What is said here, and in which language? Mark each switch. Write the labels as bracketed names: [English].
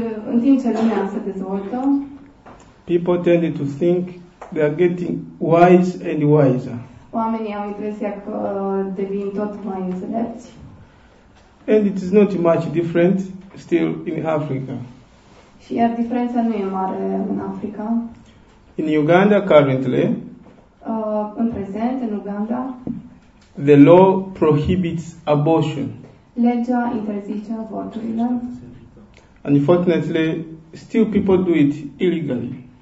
[Romanian] în timp ce lumea se dezvoltă, [English] people tend to think they are getting wise and wiser. [Romanian] Oamenii au impresia că devin tot mai înțelepți. [English] And it is not much different still in Africa. [Romanian] Și iar diferența nu e mare în Africa. [English] In Uganda currently, [Romanian] în prezent, în Uganda, [English] the law prohibits abortion. [Romanian] Legea interzice avorturile. [English] Unfortunately, still people do it illegally.